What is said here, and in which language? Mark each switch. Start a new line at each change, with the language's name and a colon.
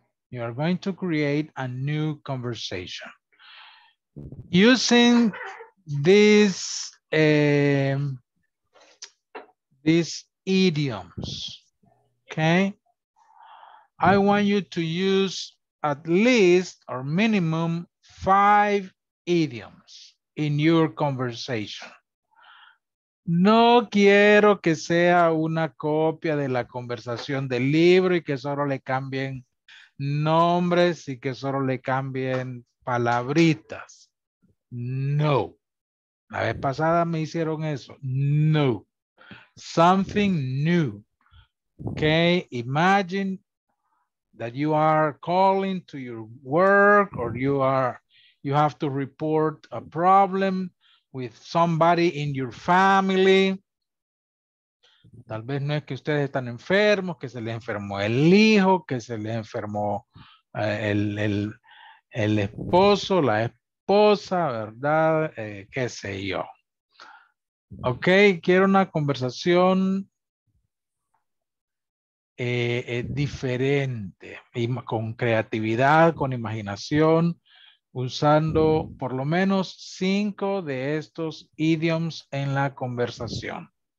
English: You are going to create a new conversation. Using this, these idioms. Okay? I want you to use at least or minimum 5 idioms in your conversation.
Spanish: No quiero que sea una copia de la conversación del libro y que solo le cambien nombres y que solo le cambien palabritas. No. La vez pasada me hicieron eso. No.
English: Something new. Okay, imagine that you are calling to your work or you have to report a problem with somebody in your family.
Spanish: Tal vez no es que ustedes están enfermos, que se les enfermó el hijo, que se les enfermó el esposo, la esposa, ¿verdad? Qué sé yo. Ok, quiero una conversación diferente, con creatividad, con imaginación, usando por lo menos 5 de estos idioms en la conversación.